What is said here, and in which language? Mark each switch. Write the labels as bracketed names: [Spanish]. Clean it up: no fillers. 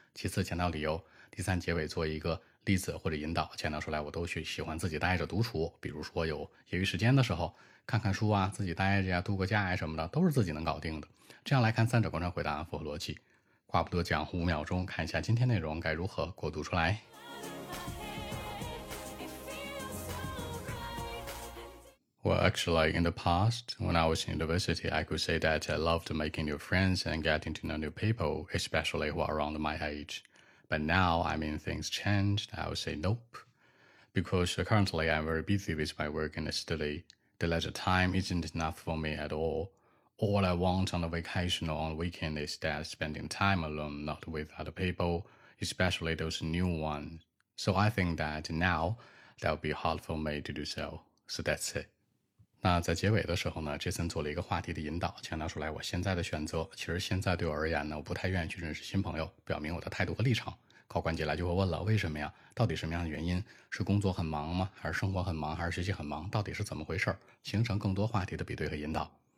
[Chinese] 其次强调理由，第三结尾做一个例子或者引导，强调出来我都去喜欢自己待着独处，比如说有业余时间的时候看看书啊，自己待着呀，度个假呀什么的，都是自己能搞定的。这样来看三者贯穿回答符合逻辑。话不多讲，五秒钟看一下今天内容该如何过渡出来。 [English] Well, actually, in the past, when I was in university, I could say that I loved making new friends and getting to know new people, especially who are around my age. But now, I mean, things changed, I would say nope. Because currently, I'm very busy with my work and study. The leisure time isn't enough for me at all. All I want on a vacation or on a weekend is that spending time alone, not with other people, especially those new ones. So I think that now, that would be hard for me to do so. So that's it. [Chinese] 那在结尾的时候呢， Jason 做了一个话题的引导，强调出来我现在的选择，其实现在对我而言呢，我不太愿意去认识新朋友，表明我的态度和立场。考官接下来就会问了，为什么呀？到底什么样的原因？是工作很忙吗？还是生活很忙？还是学习很忙？到底是怎么回事？形成更多话题的比对和引导。